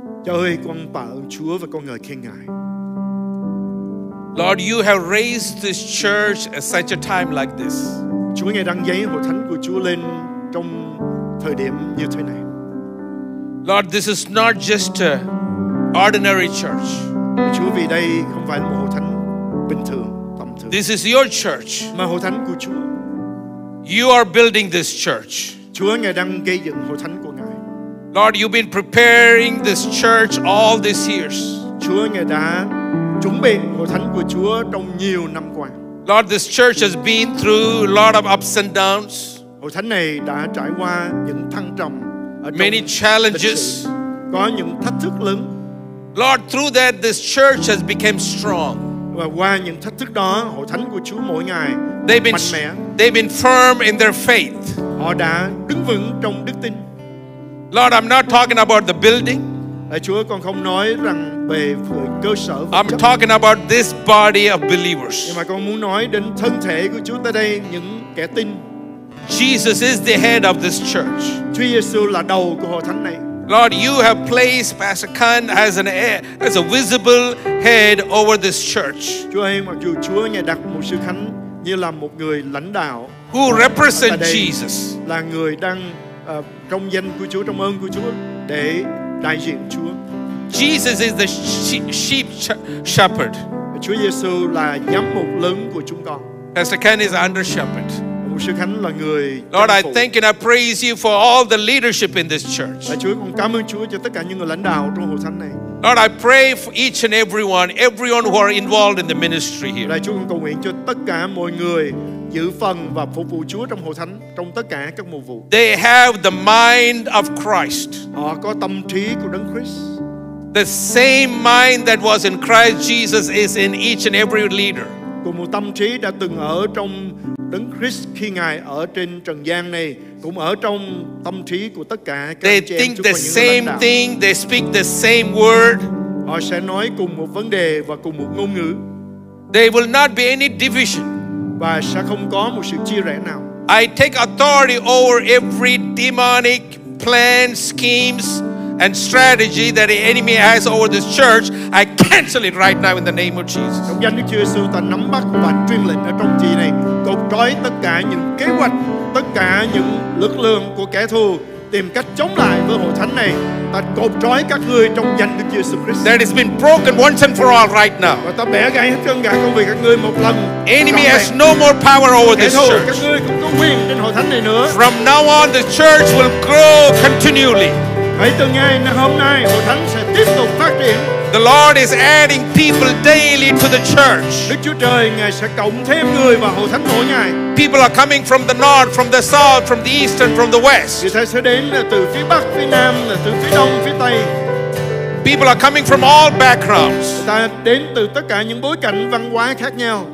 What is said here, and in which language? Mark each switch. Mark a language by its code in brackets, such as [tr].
[vi] Cha ơi, con tạ ơn Chúa và con ngợi khen Ngài. [en] Lord, you have raised this church at such a time like this. [vi] Chúa ngài đang dấy hội thánh của Chúa lên trong thời điểm như thế này. [en] Lord, this is not just an ordinary church. [vi] Chúa vì đây không phải một hội thánh bình thường, tầm thường. [en] This is your church. [vi] Mà hội thánh của Chúa. [en] You are building this church. [vi] Chúa ngài đang gây dựng hội thánh của ngài. [en] Lord, you've been preparing this church all these years. [vi] Chúa ngài đã chuẩn bị hội thánh của Chúa trong nhiều năm qua. [en] Lord, this church has been through a lot of ups and downs. [vi] Hội thánh này đã trải qua những thăng trầm, [en] many challenges, [vi] có những thách thức lớn. [en] Lord, through that this church has become strong. [vi] Và qua những thách thức đó, hội thánh của Chúa mỗi ngày mạnh mẽ. [en] They've been firm in their faith. [vi] Họ đã đứng vững trong đức tin. [en] Lord, I'm not talking about the building. [vi] Chúa còn không nói rằng về cơ sở. [en] I'm talking about this body of believers. [vi] Nhưng mà con muốn nói đến thân thể của Chúa tại đây, những kẻ tin. [en] Jesus is the head of this church. [vi] Chúa Giêsu là đầu của hội thánh này. [en] Lord, you have placed Pastor Khan as a visible head over this church. [vi] Chúa ơi, mặc dù Chúa ngài đặt mục sư Khánh như là một người lãnh đạo, [en] who represent Jesus, [vi] là người đang trong danh của Chúa, trong ơn của Chúa để đại diện Chúa. [en] Jesus is the sheep shepherd. [vi] Chúa Giêsu là giám mục lớn của chúng con. [en] Pastor Khan is under shepherd. [vi] Sư Khánh là người. [en] Lord, I thank and I praise you for all the leadership in this church. [vi] Chúa, con cảm ơn Chúa cho tất cả những người lãnh đạo trong hội thánh này. [en] Lord, I pray for each and everyone who are involved in the ministry here. [vi] Chúa, con cầu nguyện cho tất cả mọi người giữ phần và phục vụ Chúa trong hội thánh, trong tất cả các mục vụ. [en] They have the mind of Christ. [vi] Họ có tâm trí của Đấng Christ. [en] The same mind that was in Christ Jesus is in each and every leader. [vi] Cùng một tâm trí đã từng ở trong Đấng Christ khi Ngài ở trên trần gian này, cũng ở trong tâm trí của tất cả các [en] they [vi] chị em [en] the same thing, they speak the same word. [vi] Họ sẽ nói cùng một vấn đề và cùng một ngôn ngữ. [en] They will not be any division. [vi] Và sẽ không có một sự chia rẽ nào. [en] I take authority over every demonic plan, schemes and strategy that the enemy has over this church. I cancel it right now in the name of Jesus. [vi] Trong danh Đức Chúa Giêsu, ta nắm bắt và truyền lệnh ở trong chi này. Cột trói tất cả những kế hoạch, tất cả những lực lượng của kẻ thù tìm cách chống lại với hội thánh này. Ta cột trói các ngươi trong danh Đức Chúa Giêsu Christ. [en] That has been broken once and for all right now. [vi] Và ta bẻ gãy hết chân gãy công việc các ngươi một lần. [en] Enemy has no more power over this church. [vi] Kẻ thù, các ngươi không có quyền trên hội thánh này nữa. [en] From now on, the church will grow continually. [vi] Hãy từ ngày hôm nay hội thánh sẽ tiếp tục phát triển. [en] The Lord is adding people daily to the church. [vi] Đức Chúa Trời ngài sẽ cộng thêm người vào hội thánh mỗi ngày. [en] People are coming from the north, from the south, from the east and from the west. [vi] Người ta sẽ đến là từ phía bắc, phía nam, là từ phía đông, phía tây. [en] People are coming from all backgrounds. [vi] Ta đến từ tất cả những bối cảnh văn hóa khác nhau.